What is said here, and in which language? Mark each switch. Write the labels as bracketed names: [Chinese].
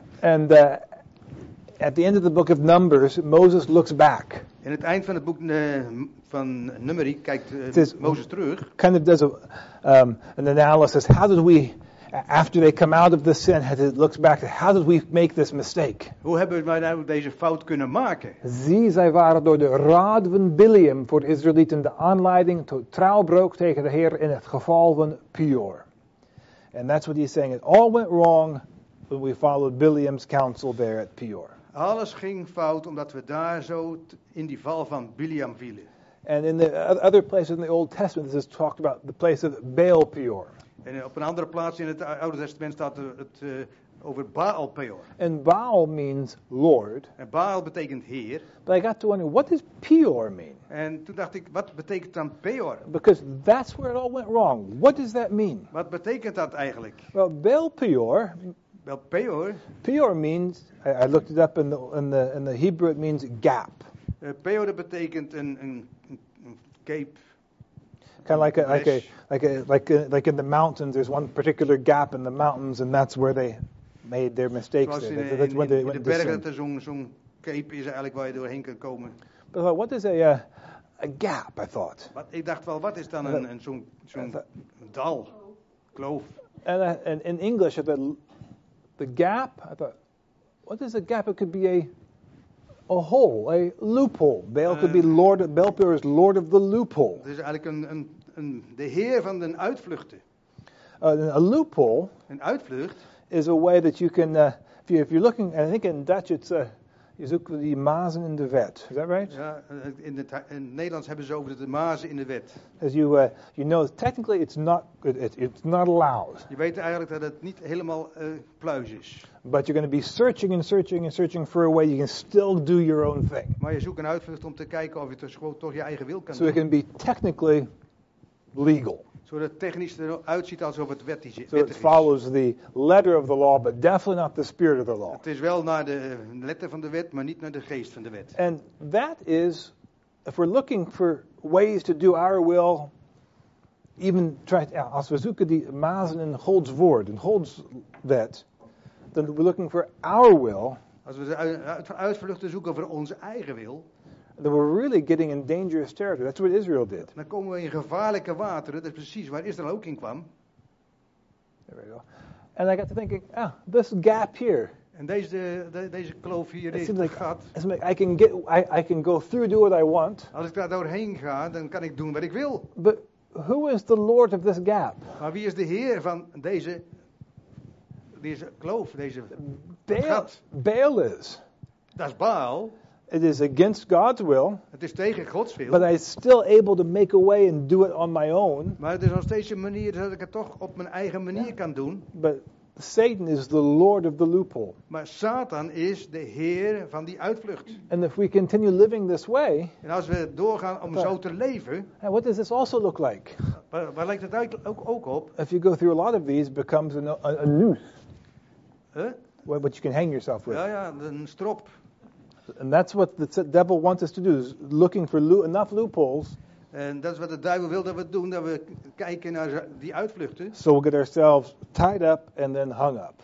[English] And at the end of the book of Numbers, Moses looks back. [Dutch] In het eind van het boek van Numeri kijkt Mozes terug. [English] Kind of does an analysis. How did we, after they come out of the sin, as it looks back, how did we make this mistake? [Dutch] Hoe hebben wij nou deze fout kunnen maken? Zie, zij waren door de raad van Bileam voor de Israëlieten de aanleiding tot trouwbreuk tegen de Heer in het geval van Peor. [English] And that's what he's saying. It all went wrong when we followed Bileam's counsel there at Peor. [Dutch] Alles ging fout omdat we daar zo in die val van Bileam vielen. [English] And in the other places in the Old Testament, this is talked about the place of Baal Peor. [Dutch] En op een andere plaats in het Oude Testament staat het over Baal Peor. [English] And Baal means Lord. [Dutch] En Baal betekent Heer. [English] But I got to wonder, what does Peor mean? [Dutch] En toen dacht ik, wat betekent dan Peor? [English] Because that's where it all went wrong. What does that mean? [Dutch] Wat betekent dat eigenlijk? [English] Well, Baal Peor. Well, Peor. Peor means, I looked it up in the Hebrew, it means gap. [Dutch] Peor betekent een cape. [English] Kind of like in the mountains, there's one particular gap in the mountains, and that's where they made their mistakes. [Dutch] In de bergen, zo'n cape is eigenlijk waar je doorheen kan komen. [English] But like, what is a gap, I thought. [Dutch] Ik dacht wel, wat is dan zo'n dal, kloof? [English] And in English, the gap, I thought, what is a gap? It could be a hole, a loophole. Baal could be Lord. Baal Peor is Lord of the loophole. [Dutch] Het is eigenlijk de Heer van de uitvluchten. [English] A loophole. [Dutch] Een uitvlucht [English] is a way that you can, if you're looking, I think in Dutch it's a, [Dutch] je zoekt die mazen in de wet. [English] Is that right? [Dutch] Ja, in het Nederlands hebben ze over de mazen in de wet. [English] As you know, technically it's not allowed. [Dutch] Je weet eigenlijk dat het niet helemaal pluis is. [English] But you're going to be searching and searching and searching for a way you can still do your own thing. [Dutch] Maar je zoekt een uitvlucht om te kijken of je toch je eigen wil kan doen. [English] So it can be technically legal. [Dutch] Zodat het technisch eruit ziet alsof het wettig is. [English] So it follows the letter of the law, but definitely not the spirit of the law. [Dutch] Het is wel naar de letter van de wet, maar niet naar de geest van de wet. [English] And that is, if we're looking for ways to do our will, even try to, [Dutch] als we zoeken die mazen in Gods woord, in Gods wet, [English] then we're looking for our will. [Dutch] Als we uitvluchten zoeken voor onze eigen wil. [English] That we're really getting in dangerous territory. That's what Israel did. [Dutch] Dan komen we in gevaarlijke wateren. Dat is precies waar Israël ook in kwam. [English] There we go. And I got to thinking, this gap here. [Dutch] En deze kloof hier, deze gat. [English] I can go through, do what I want. [Dutch] Als ik daar doorheen ga, dan kan ik doen wat ik wil. [English] But who is the Lord of this gap? [Dutch] Maar wie is de Heer van deze kloof, deze gat? [English] Baal is. [Dutch] Dat is Baal. [English] It is against God's will. [Dutch] Het is tegen Gods wil. [English] But I'm still able to make a way and do it on my own. [Dutch] Maar het is nog steeds een manier dat ik het toch op mijn eigen manier kan doen. [English] But Satan is the Lord of the loophole. [Dutch] Maar Satan is de Heer van die uitvlucht. [English] And if we continue living this way. [Dutch] En als we doorgaan om zo te leven. [English] Hey, what does this also look like? [Dutch] Waar lijkt het ook op? [English] If you go through a lot of these, it becomes a noose. Huh? What you can hang yourself with. [Dutch] Ja, een strop. [English] And that's what the devil wants us to do, is looking for enough loopholes. [Dutch] En dat is wat de duivel wil dat we doen, dat we kijken naar die uitvluchten. [English] So we get ourselves tied up and then hung up.